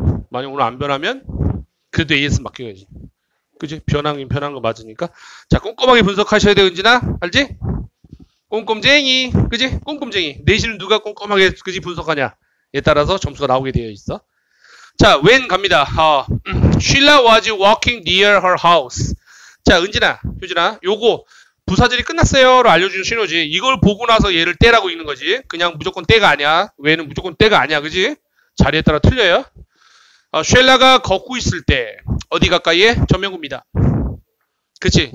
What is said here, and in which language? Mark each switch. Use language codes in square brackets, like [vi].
[ko] 만약 오늘 안 변하면 그래도 AS 맡겨야지. 그치? 변하긴 변한 거 맞으니까. 자, 꼼꼼하게 분석하셔야 되는지나? 알지? 꼼꼼쟁이. 그치? 꼼꼼쟁이. 내신을 누가 꼼꼼하게 그치 분석하냐에 따라서 점수가 나오게 되어 있어. 자, [en] when [ko] 갑니다. [en] Sheila was walking near her house. [ko] 자, 은진아, 효진아, 요거 부사절이 끝났어요로 알려주는 신호지. 이걸 보고 나서 얘를 떼라고 있는 거지. 그냥 무조건 떼가 아니야. 왜는 무조건 떼가 아니야, 그지? 자리에 따라 틀려요. 쉘라가 걷고 있을 때 어디 가까이에? 전면구입니다. 그치?